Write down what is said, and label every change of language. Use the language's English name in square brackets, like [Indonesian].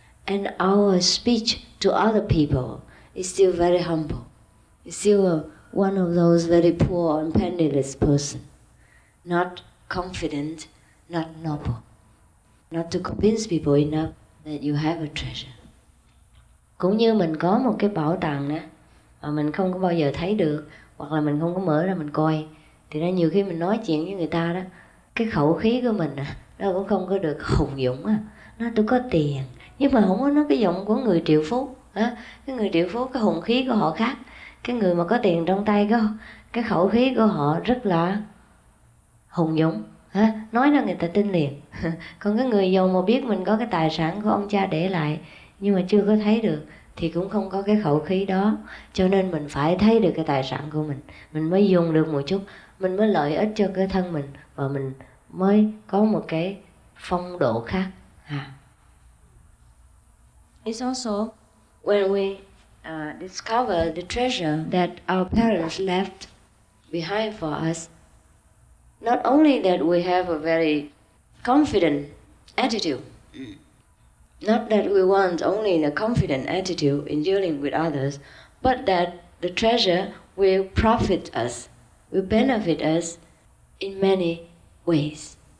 [English] And our speech to other people is still very humble. It's still one of those very poor and penniless person. Not confident, not noble. Not to convince people enough that you have a treasure. [Vietnamese] Cũng như mình có một cái bảo tàng nè, mà mình không có bao giờ thấy được, hoặc là mình không có mở ra mình coi, thì ra nhiều khi mình nói chuyện với người ta đó, cái khẩu khí của mình nó cũng không có được hùng dũng á. Nó tôi có tiền, nhưng mà không có nói cái giọng của người triệu phú. Cái người triệu phú, cái hùng khí của họ khác. Cái người mà có tiền trong tay, cái khẩu khí của họ rất là hùng dũng. Nói ra người ta tin liền. Còn cái người giàu mà biết mình có cái tài sản của ông cha để lại nhưng mà chưa có thấy được thì cũng không có cái khẩu khí đó. Cho nên mình phải thấy được cái tài sản của mình, mình mới dùng được một chút, mình mới lợi ích cho cái thân mình, và mình mới có một cái phong độ khác. [English] It's also when we discover the treasure that our parents left behind for us, not only that we have a very confident attitude, not that we want only a confident attitude in dealing with others, but that the treasure will profit us, will benefit us in many ways.